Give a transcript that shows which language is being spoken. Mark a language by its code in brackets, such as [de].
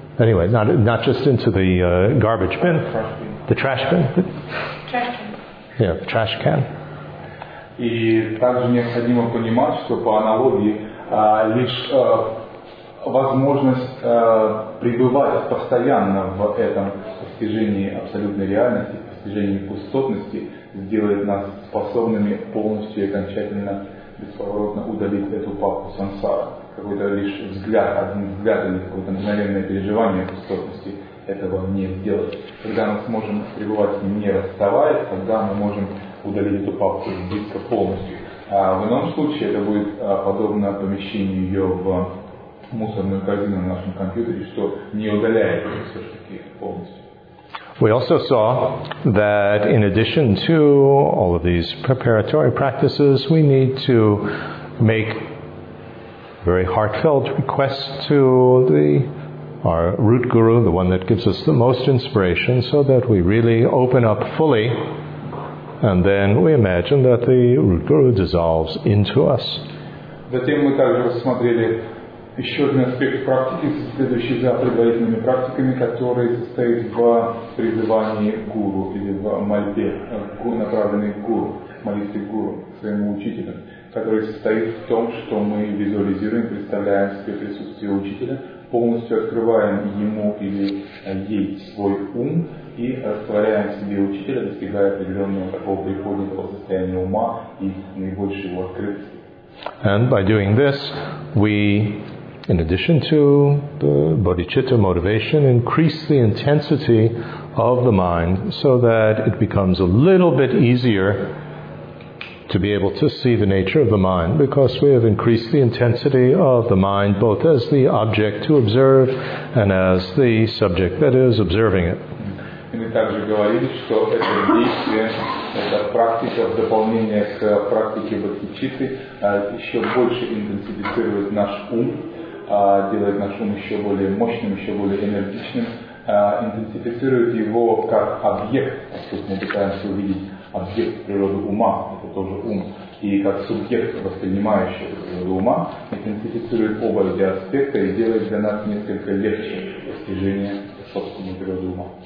[en] Anyway, not just into the garbage bin. The trash bin. Trash can. Yeah, trash can. [ru] И также необходимо понимать, что по аналогии лишь возможность пребывать постоянно в этом постижении абсолютной реальности, постижении пустотности, сделает нас способными полностью и окончательно, бесповоротно удалить эту папку сансара. Какой-то лишь взгляд, один взгляд или какое-то мгновенное переживание пустотности этого не сделает. Когда мы сможем пребывать с ним, не расставаясь, тогда мы можем удалить эту папку с диска полностью. А в ином случае это будет подобно помещению ее в мусорную корзину на нашем компьютере, что не удаляет ее все-таки полностью. [en] We also saw that in addition to all of these preparatory practices, we need to make very heartfelt requests to the our root guru, the one that gives us the most inspiration, so that we really open up fully. And then we imagine that the root guru dissolves into us. [ru] Затем мы также рассмотрели Еще один аспект практики, следующий за предварительными практиками, который состоит в призывании гуру или в мольбе, направленной к гуру, молитве гуру, своему учителю, который состоит в том, что мы визуализируем, представляем себе присутствие учителя, полностью открываем ему или ей свой ум и растворяем себе учителя, достигая определенного такого приходного состояния ума и наибольшей его открытости. [en] And by doing this, we, in addition to the bodhicitta motivation, increase the intensity of the mind so that it becomes a little bit easier to be able to see the nature of the mind, because we have increased the intensity of the mind both as the object to observe and as the subject that is observing it. [ru] Мы также говорили, что это действие, эта практика в дополнение к практике бодхичитты еще больше интенсифицирует наш ум, делает наш ум еще более мощным, еще более энергичным, интенсифицирует его как объект, как мы пытаемся увидеть объект природы ума, это тоже ум, и как субъект, воспринимающий природу ума, интенсифицирует оба эти аспекта и делает для нас несколько легче достижение собственной природы ума.